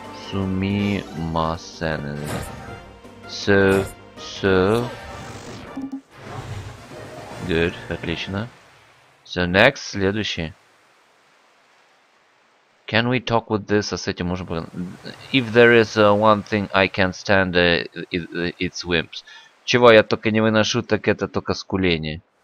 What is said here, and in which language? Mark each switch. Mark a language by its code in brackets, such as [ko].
[ja] Сумимасен. So. [en] Good. [ru] Отлично. [en] So, next. [ru] Следующий. [en] Can we talk with this? [ru] А с этим можем поговорить? [en] If there is one thing I can't stand, it's wimps. [ru] Чего я только не выношу, так это только скуление.